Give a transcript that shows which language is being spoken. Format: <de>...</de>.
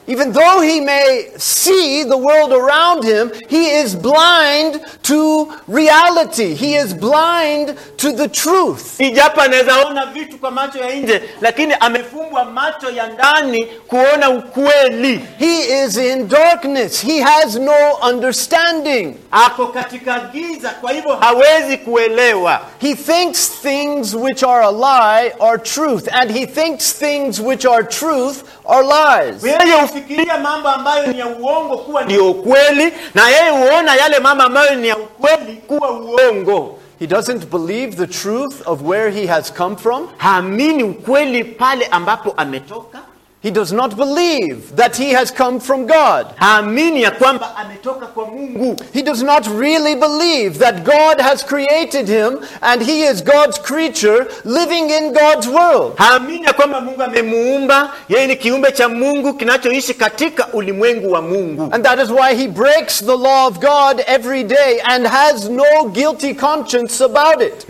<en>Even though he may see the world around him, he is blind to reality. He is blind to the truth.</en> <sw>Ijapo anaweza ona vitu kwa macho ya nje, lakini amefungwa macho ya ndani kuona ukweli.</sw> <en>He is in darkness. He has no understanding.</en> <sw>Ako katika giza, kwa hivyo hawezi kuelewa. kuelewa.</sw> <en>He thinks things which are a lie are truth, and he thinks things which are truth are lies.</en> <sw>Yeye ufikiria mambo ambayo ni ya uongo kuwa ni ukweli, na yeye huona yale mambo ambayo ni ya ukweli kuwa uongo.</sw> <en>He doesn't believe the truth of where he has come from.</en> <sw>Haamini ukweli pale ambapo ametoka.</sw> <en>He does not believe that he has come from God.</en> <sw>Haamini ya kwamba ametoka kwa Mungu.</sw> <en>He does not really believe that God has created him and he is God's creature living in God's world.</en> <sw>Haamini ya kwamba Mungu amemuumba, yeye ni kiumbe cha Mungu kinachoishi katika ulimwengu wa Mungu.</sw> <en>And that is why he breaks the law of God every day and has no guilty conscience about it.</en>